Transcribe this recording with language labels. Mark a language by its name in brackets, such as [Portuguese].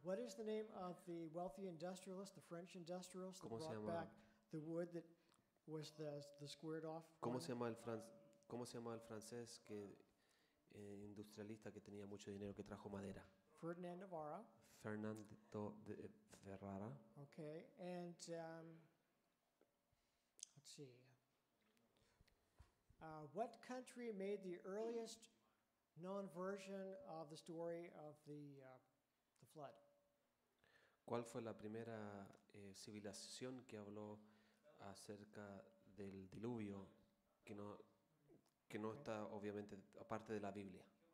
[English] What is the name of the wealthy industrialist, the French industrialist that brought back the wood that was the squared off? [Spanish] ¿Cómo se llama el francés que industrialista que tenía mucho dinero que trajo madera? [English] Ferdinand Navarro. [Spanish] Fernando de Ferrara. [English] Okay, and let's see. What country made the earliest known version of the story of the flood? [Spanish] ¿Cuál fue la primera civilización que habló acerca del diluvio que no okay. Está obviamente aparte de la Biblia?